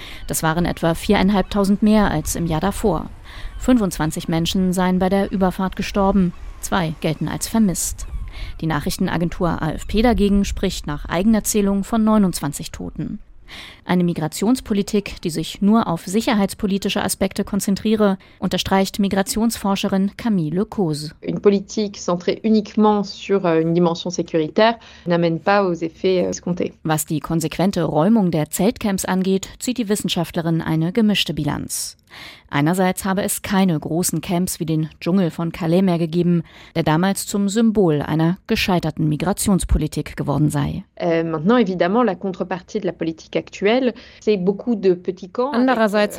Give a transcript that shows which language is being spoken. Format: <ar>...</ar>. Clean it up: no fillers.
<de>Das waren etwa 4.500 mehr als im Jahr davor. 25 Menschen seien bei der Überfahrt gestorben, 2 gelten als vermisst. Die Nachrichtenagentur AFP dagegen spricht nach eigener Zählung von 29 Toten. Eine Migrationspolitik, die sich nur auf sicherheitspolitische Aspekte konzentriere, unterstreicht Migrationsforscherin Camille Le Cause.</de> <fr>Une politique centrée uniquement sur une dimension sécuritaire n'amène pas aux effets escomptés.</fr> <de>Was die konsequente Räumung der Zeltcamps angeht, zieht die Wissenschaftlerin eine gemischte Bilanz. Einerseits habe es keine großen Camps wie den Dschungel von Calais mehr gegeben, der damals zum Symbol einer gescheiterten Migrationspolitik geworden sei. Andererseits</de>